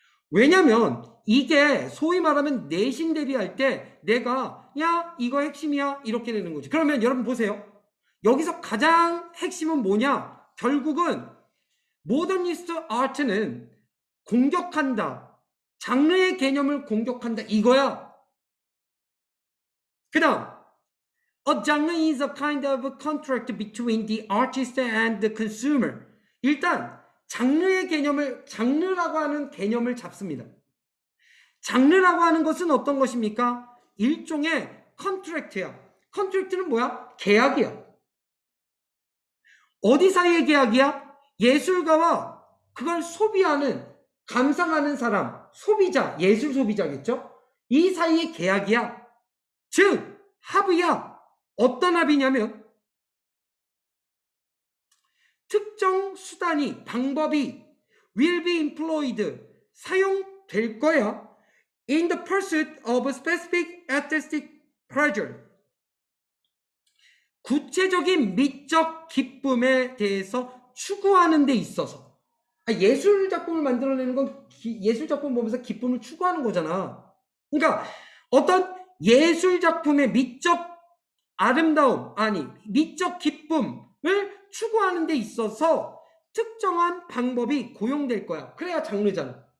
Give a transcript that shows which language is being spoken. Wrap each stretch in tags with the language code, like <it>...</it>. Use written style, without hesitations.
<ko>왜냐면 이게 소위 말하면 내신 대비할 때 내가 야 이거 핵심이야 이렇게 되는 거지. 그러면 여러분 보세요. 여기서 가장 핵심은 뭐냐? 결국은 모더니스트 아트는 공격한다. 장르의 개념을 공격한다. 이거야. 그 다음,</ko> <en>A genre is a kind of contract between the artist and the consumer.</en> <ko>일단 장르의 개념을, 장르라고 하는 개념을 잡습니다. 장르라고 하는 것은 어떤 것입니까? 일종의 컨트랙트야. 컨트랙트는 뭐야? 계약이야. 어디 사이의 계약이야? 예술가와 그걸 소비하는, 감상하는 사람, 소비자, 예술 소비자겠죠? 이 사이의 계약이야. 즉, 합의야. 어떤 합의냐면 특정 수단이, 방법이</ko> <en>will be employed,</en> <ko>사용될 거야.</ko> <en>In the pursuit of a specific artistic pleasure.</en> <ko>구체적인 미적 기쁨에 대해서 추구하는 데 있어서. 예술 작품을 만들어내는 건 예술 작품 보면서 기쁨을 추구하는 거잖아. 그러니까 어떤 예술 작품의 미적 아름다움, 아니 미적 기쁨을 추구하는 데 있어서 특정한 방법이 고용될 거야. 그래야 장르잖아.</ko>